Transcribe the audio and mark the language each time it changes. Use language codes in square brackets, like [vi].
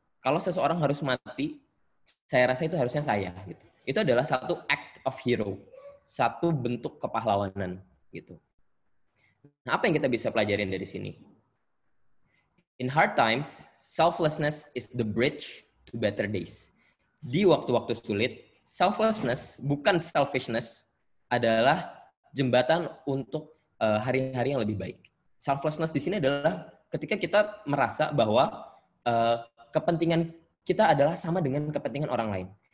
[id] Kalau seseorang harus mati, saya rasa itu harusnya saya gitu. Itu adalah satu [en] act of hero, [id] satu bentuk kepahlawanan gitu. Nah, apa yang kita bisa pelajarin dari sini? [en] In hard times, selflessness is the bridge to better days. [id] Di waktu-waktu sulit, selflessness, bukan selfishness, adalah jembatan untuk hari-hari yang lebih baik. Selflessness di sini adalah ketika kita merasa bahwa kepentingan kita adalah sama dengan kepentingan orang lain.